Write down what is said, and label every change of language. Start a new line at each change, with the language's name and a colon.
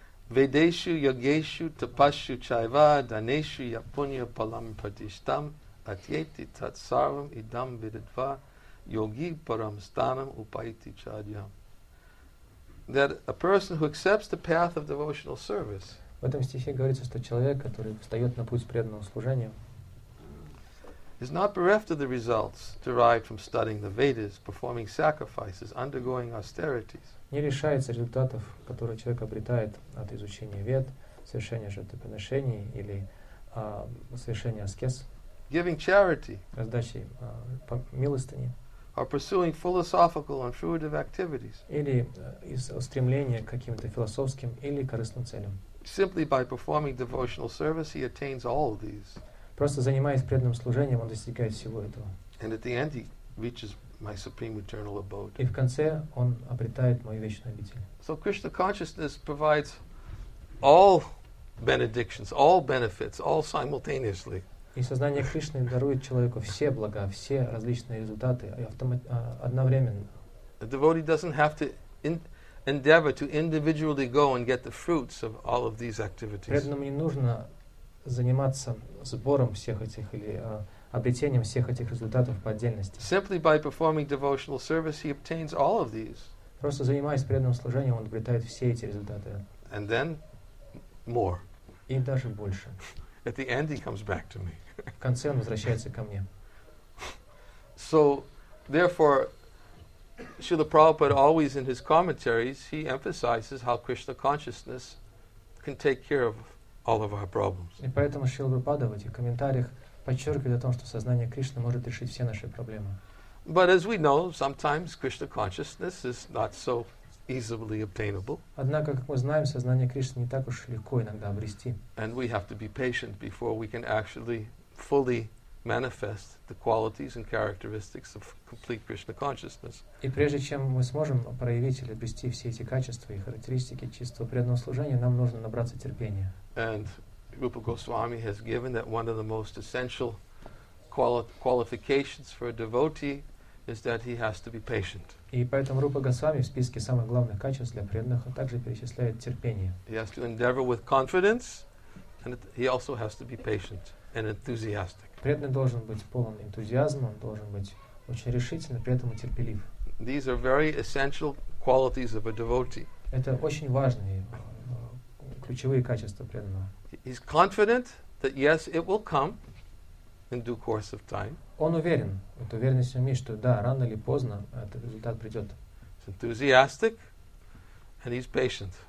Sanskrit: Vedeshu yageshu tapashu chaiva daneshu yapunya palam pratishtam atyeti tat sarvam idam vidatva yogi param stanam upaiti chadyam.
English: That a person who accepts the path of devotional service.
Russian: В этом стихе говорится, что человек, который встает на путь преданного служения,
English: is not bereft of the results derived from studying the Vedas, performing sacrifices, undergoing austerities.
Russian: Не лишается результатов, которые человек обретает от изучения вед, совершения жертвоприношений или совершения аскез,
English: giving charity,
Russian: раздачи милостыни,
English: or pursuing philosophical and fruitive activities,
Russian: или из стремления к каким-то философским или корыстным целям.
English: Simply by performing devotional service, he attains all of these.
Russian: Просто занимаясь преданным служением, он достигает всего этого.
English: And at the end, he reaches my supreme eternal abode.
Russian: И в конце он обретает мою вечную обитель.
English: So Krishna consciousness provides all benedictions, all benefits, all simultaneously.
Russian: И сознание Кришны дарует человеку все блага, все различные результаты одновременно.
English: The devotee doesn't have to endeavor to individually go and get the fruits of all of these activities.
Russian: Преданному не нужно заниматься сбором всех этих или обретением всех этих результатов по отдельности.
English: Simply by performing devotional service, he obtains all of these.
Russian: Просто занимаясь преданным служением, он обретает все эти результаты.
English: And then more.
Russian: И даже больше.
English: At the end, he comes back to me.
Russian: В конце он возвращается ко мне.
English: So, therefore, Srila Prabhupada always in his commentaries, he emphasizes how Krishna consciousness can take care of all of our problems.
Russian: И поэтому Шрила Прабхупада в этих комментариях подчеркивает о том, что сознание Кришны может решить все наши проблемы.
English: But as we know, sometimes Krishna consciousness is not so easily obtainable.
Russian: Однако, как мы знаем, сознание Кришны не так уж легко иногда обрести.
English: And we have to be patient before we can actually fully manifest the qualities and characteristics of complete Krishna consciousness.
Russian: И прежде чем мы сможем проявить или обрести все эти качества и характеристики чистого преданного служения, нам нужно набраться терпения.
English: And Rupa Goswami has given that one of the most essential qualifications for a devotee is that he has to be patient.
Russian: И поэтому Рупа Госвами в списке самых главных качеств для преданных также перечисляет терпение.
English: He has to endeavor with confidence, and he also has to be patient and enthusiastic.
Russian: Преданный должен быть полон энтузиазма, он должен быть очень решительным, при этом и терпелив.
English: These are very essential qualities of a devotee.
Russian: Это очень важные ключевые качества преданного.
English: He's confident that yes, it will come in due course of time.
Russian: Он уверен, эта уверенность в нем есть, что да, рано или поздно этот результат придет.
English: He's enthusiastic and he's patient.